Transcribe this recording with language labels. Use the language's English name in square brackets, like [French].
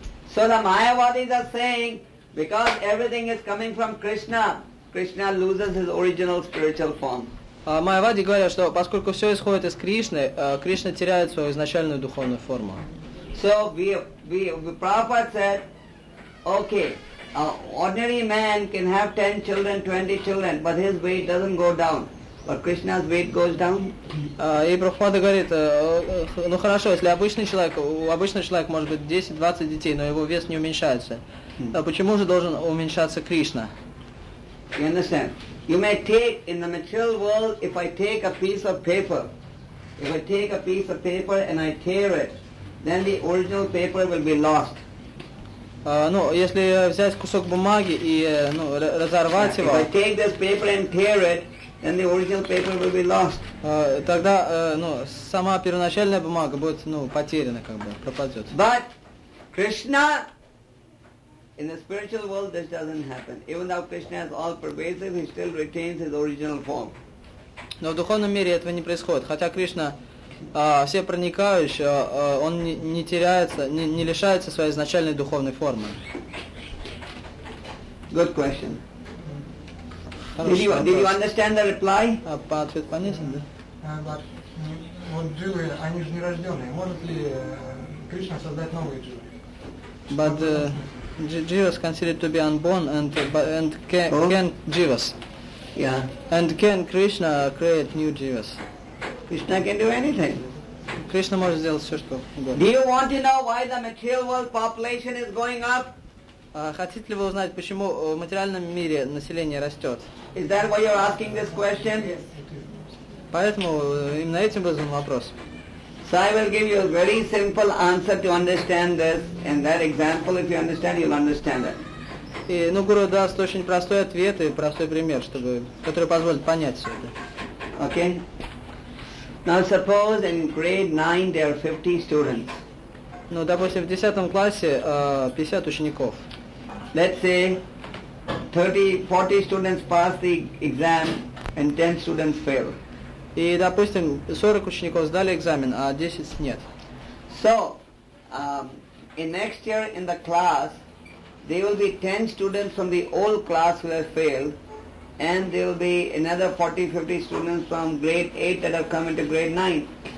[English] So the Mayavadis are saying, because everything is coming from Krishna, Krishna loses his original spiritual form. [Russian] Майявади говорят, что поскольку все исходит из Кришны, Кришна теряет свою изначальную духовную форму. [English] So we Prabhupada said, okay. An ordinary man can have 10 children, 20 children, but his weight doesn't go down. But Krishna's weight goes down. [Russian] И Прабхупада говорит, хорошо, если у обычного человека может быть 10-20 детей, но его вес не уменьшается. Почему же должен уменьшаться Кришна? [English] You understand? You may take, in the material world, if I take a piece of paper and I tear it, then the original paper will be lost. [Russian] Если взять кусок бумаги и разорвать его, [English] if I take this paper and tear it, then the original paper will be lost. [Russian] Тогда сама первоначальная бумага будет потеряна, пропадет. [English] But Krishna, in the spiritual world, this doesn't happen. Even though Krishna is all pervasive, he still retains his original form. [Russian] Но в духовном мире этого не происходит. Хотя Кришна все проникающие, он не теряется, не лишается своей изначальной духовной формы. [English] Good question. Did you understand the reply? [Russian] По ответ понятен, да? Вот дживы, они же нерожденные. Может ли Кришна создать новые дживы? [English] But jivas considered to be unborn and can jivas. Yeah. And can Krishna create new jivas? Krishna can do anything. [Russian] Krishna может сделать все, что угодно. [English] Do you want to know why the material world population is going up? [Russian] Хотите ли вы узнать, почему в материальном мире население растет? [English] Is that why you're asking this question? Yes. [Russian] Поэтому именно этим вызван вопрос. [English] So I will give you a very simple answer to understand this, and that example, if you understand, you'll understand it. [Russian] И Гуру даст очень простой ответ и простой пример, который позволит понять все это. [English] Okay. Now suppose in grade 9 there are 50 students. [Russian] Допустим, в 10 классе 50 учеников. [English] Let's say 30-40 students pass the exam and 10 students fail. [Russian] И, допустим, 40 учеников сдали экзамен, а 10 нет. [English] So, in next year in the class, there will be 10 students from the old class who have failed. And there will be another 40-50 students from grade 8 that have come into grade 9.